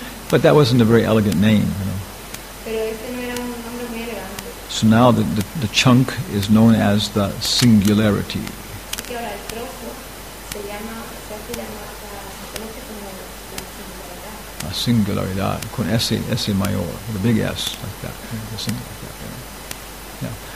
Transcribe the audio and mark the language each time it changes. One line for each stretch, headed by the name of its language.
English: But that wasn't a very elegant name, you know.
Spanish: Pero este no era un nombre muy elegante.
English: So now the chunk is known as the singularity.
Spanish: A singularidad, con S mayor,
English: the big S, like that.